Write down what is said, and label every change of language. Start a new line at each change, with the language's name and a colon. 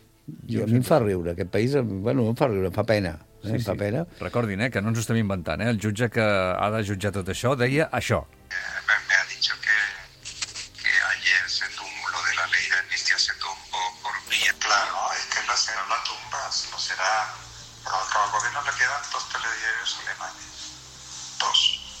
Catalan: A mi em fa riure, aquest país, bueno, em fa riure, em fa pena. sí, papera. Sí. Recordin, que no ens ho estem inventant, el jutge que ha de jutjar tot això deia això.
Spanish: Me ha dicho que ayer se tumbó, lo de la ley de amnistía se tumbó por vía. Claro, es que no será una tumba, sino será... Al gobierno le quedan dos telediarios alemanes. Dos.